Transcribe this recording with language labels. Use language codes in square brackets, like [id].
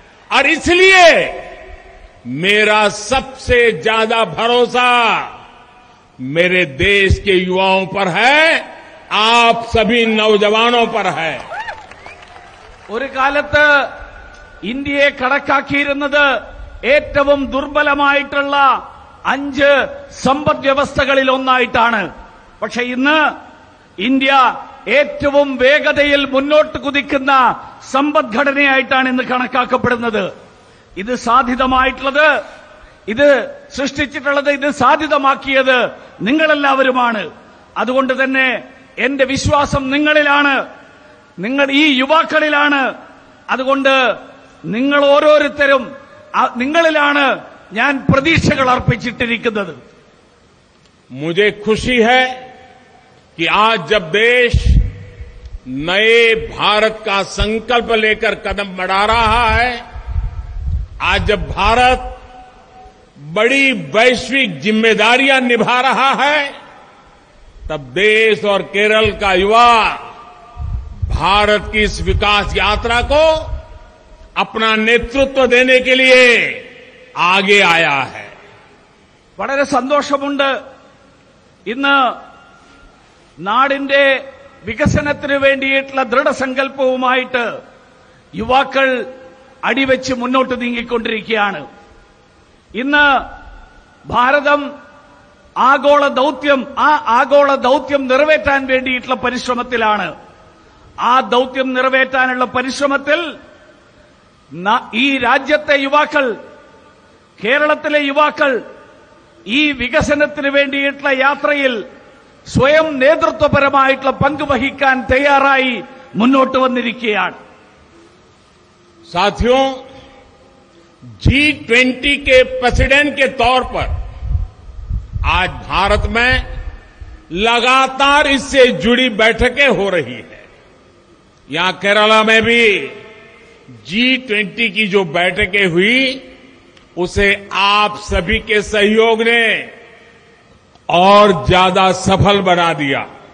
[hi] Our ഇസ്ലിയേ मेरा सबसे ज्यादा भरोसा मेरे देश के युवाओं पर है, आप सभी नौजवानों पर है. [ml] ഒരു കാലത്ത് ഇന്ത്യയെ കടക്കാക്കിയിരുന്നത് ഏറ്റവും ദുർബലമായിട്ടുള്ള അഞ്ച് സമ്പദ് വ്യവസ്ഥകളിൽ ഒന്നായിട്ടാണ്. പക്ഷേ ഇന്ന് ഇന്ത്യ ഏറ്റവും വേഗതയിൽ മുന്നോട്ട് കുതിക്കുന്ന സമ്പദ്ഘടനയായിട്ടാണ് ഇന്ന് കണക്കാക്കപ്പെടുന്നത്. ഇത് സാധ്യതമായിട്ടുള്ളത്, ഇത് സൃഷ്ടിച്ചിട്ടുള്ളത്, ഇത് സാധ്യതമാക്കിയത് നിങ്ങളെല്ലാവരുമാണ്. അതുകൊണ്ട് തന്നെ എന്റെ വിശ്വാസം നിങ്ങളിലാണ്, നിങ്ങൾ ഈ യുവാക്കളിലാണ്. അതുകൊണ്ട് നിങ്ങൾ ഓരോരുത്തരും നിങ്ങളിലാണ് ഞാൻ പ്രതീക്ഷകൾ അർപ്പിച്ചിട്ടിരിക്കുന്നത്. [hi] മുജേ ഖുഷി ഹൈ കി ആജ് ജബ് ദേശ് നയ ഭാരത് കാ സങ്കൽപ്പ ലേക്കർ കദം ബഡാ റഹാ ഹൈ, आज जब भारत बड़ी वैश्विक जिम्मेदारियां निभा रहा है, तब देश और केरल का युवा भारत की इस विकास यात्रा को अपना नेतृत्व देने के लिए आगे आया है. [ml] വളരെ സന്തോഷമുണ്ട്. ഇന്ന് നാടിന്റെ വികസനത്തിന് വേണ്ടിയിട്ടുള്ള ദൃഢസങ്കൽപ്പവുമായിട്ട് യുവാക്കൾ അടിവെച്ച് മുന്നോട്ട് നീങ്ങിക്കൊണ്ടിരിക്കുകയാണ്. ഇന്ന് ഭാരതം ആഗോള ദൌത്യം നിറവേറ്റാൻ വേണ്ടിയിട്ടുള്ള പരിശ്രമത്തിലാണ്. ആ ദൌത്യം നിറവേറ്റാനുള്ള പരിശ്രമത്തിൽ ഈ രാജ്യത്തെ യുവാക്കൾ, കേരളത്തിലെ യുവാക്കൾ ഈ വികസനത്തിന് വേണ്ടിയിട്ടുള്ള യാത്രയിൽ സ്വയം നേതൃത്വപരമായിട്ടുള്ള പങ്ക് വഹിക്കാൻ തയ്യാറായി മുന്നോട്ട് വന്നിരിക്കുകയാണ്. [hi] साथियों, G20 के प्रेसिडेंट के तौर पर आज भारत में लगातार इससे जुड़ी बैठकें हो रही है. यहां केरला में भी G20 की जो बैठकें हुई उसे आप सभी के सहयोग ने और ज्यादा सफल बना दिया.